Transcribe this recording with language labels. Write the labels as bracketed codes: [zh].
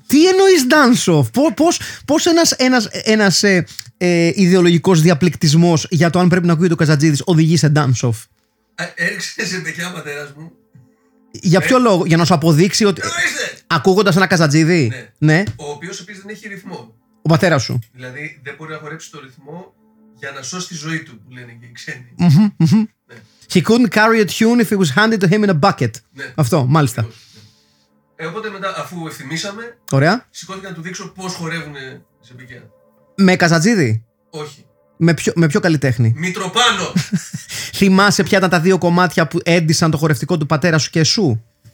[el] Τι εννοείς dance off? Πώς ένας ιδεολογικός διαπληκτισμός για το αν πρέπει να ακούει το Καζαντζίδης οδηγεί σε dance off? Έριξε σε παιδιά ο πατέρας μου. Για ποιο λόγο? Για να σου αποδείξει ότι. Ακούγοντας ένα Καζαντζίδη. Ναι. Ο οποίος επίσης δεν έχει ρυθμό. Ο πατέρας σου. Δηλαδή δεν μπορεί να χορέψει το ρυθμό για να σώσει τη ζωή του, που λένε και οι ξένοι. [en] He couldn't carry a tune if it was handed to him in a bucket. [el] Ναι. Αυτό, μάλιστα. Οπότε μετά, αφού ευθυμίσαμε, ωραία, σηκώθηκα να του δείξω πώς χορεύουν σε πηγαία. Με Καζαντζίδη? Όχι. Με ποιο καλλιτέχνη? Μητροπάνο! Θυμάσαι ποια ήταν τα δύο κομμάτια που έντυσαν το χορευτικό του πατέρα σου και σου?